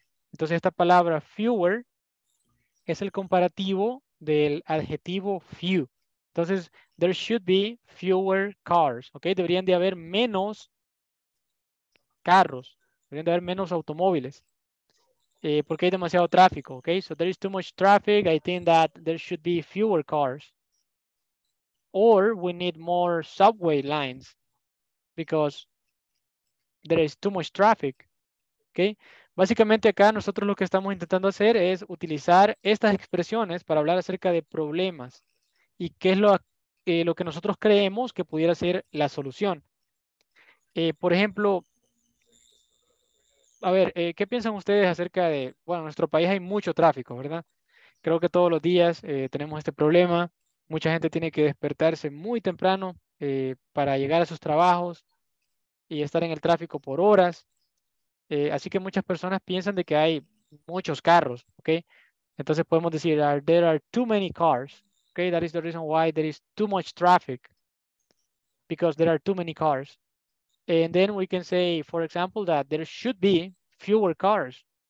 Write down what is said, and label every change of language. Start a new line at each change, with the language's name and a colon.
Spanish: Entonces esta palabra fewer es el comparativo del adjetivo few. Entonces,
English: there should be fewer cars, ¿ok?
Spanish: Deberían de haber menos carros, deberían de haber menos automóviles. Porque hay demasiado tráfico, ¿ok?
English: So there is too much traffic, I think that there should be fewer cars. Or we need more subway lines because there is too much traffic. Okay.
Spanish: Básicamente acá nosotros lo que estamos intentando hacer es utilizar estas expresiones para hablar acerca de problemas y qué es lo que nosotros creemos que pudiera ser la solución. Por ejemplo, a ver, ¿qué piensan ustedes acerca de, bueno, en nuestro país hay mucho tráfico, ¿verdad? Creo que todos los días tenemos este problema. Mucha gente tiene que despertarse muy temprano para llegar a sus trabajos y estar en el tráfico por horas. Así que muchas personas piensan de que hay muchos carros, ¿ok? Entonces podemos decir,
English: there are too many cars. Okay, that is the reason why there is too much traffic. Because there are too many cars. And then we can say, for example, that there should be fewer cars.